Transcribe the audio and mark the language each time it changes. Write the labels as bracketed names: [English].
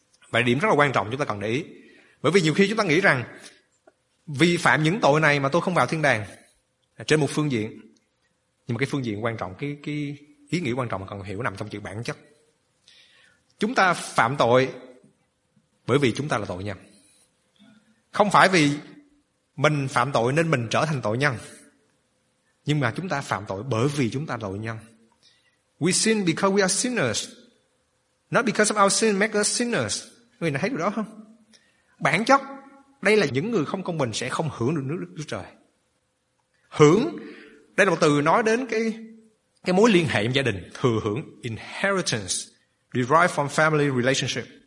[Vietnamese] Và điểm rất là quan trọng chúng ta cần để ý, bởi vì nhiều khi chúng ta nghĩ rằng vi phạm những tội này mà tôi không vào thiên đàng trên một phương diện, nhưng mà cái phương diện quan trọng, cái ý nghĩa quan trọng mà cần hiểu nằm trong chữ bản chất. Chúng ta phạm tội bởi vì chúng ta là tội nhân, không phải vì mình phạm tội nên mình trở thành tội nhân, nhưng mà chúng ta phạm tội bởi vì chúng ta là tội nhân. [English] We sin because we are sinners, not because of our sin make us sinners. [Vietnamese] Người nào thấy điều đó không? Bản chất, đây là những người không công bình sẽ không hưởng được nước Đức Chúa Trời. Hưởng, đây là một từ nói đến cái mối liên hệ trong gia đình, thừa hưởng, [English] inheritance, derived from family relationship.